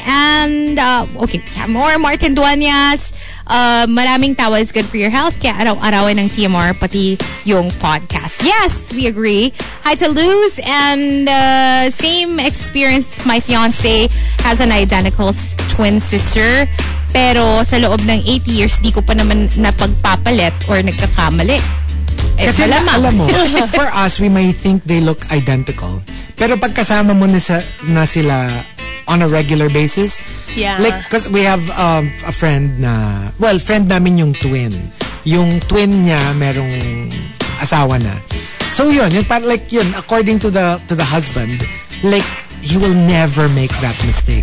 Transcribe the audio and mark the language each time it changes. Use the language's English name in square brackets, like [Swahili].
[English] And, okay, yeah, more Martin Duanyas. [Filipino] Maraming tawa [English] is good for your health. [Filipino] Kaya araw-arawin ng TMR, pati yung podcast. [English] Yes, we agree. Hi to Luz. And same experience, my fiance has an identical twin sister. [Filipino] Pero sa loob ng 8 years, di ko pa naman napagpapalit or nagkakamali. Kasi alam mo, [English] for us, we may think they look identical. [Filipino] Pero pagkasama mo na sila [English] on a regular basis, yeah. Like, because we have a friend na, well, [Filipino] friend namin yung twin. Yung twin niya, merong asawa na. So yun, yung parang like yun, [English] according to the husband, like, he will never make that mistake.